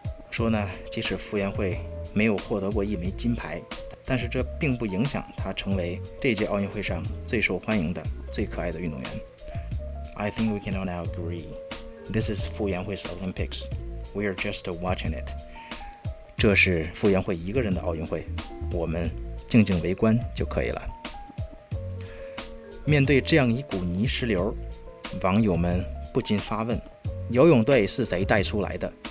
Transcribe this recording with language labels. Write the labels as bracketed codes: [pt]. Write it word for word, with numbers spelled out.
[zh] 说呢，即使傅园慧没有获得过一枚金牌，但是这并不影响她成为这届奥运会上最受欢迎的、最可爱的运动员。 [en] I think we can all now agree, this is 傅园慧's Olympics. We are just watching it. [zh] 这是傅园慧一个人的奥运会，我们静静围观就可以了。面对这样一股泥石流，网友们不禁发问，游泳队是谁带出来的？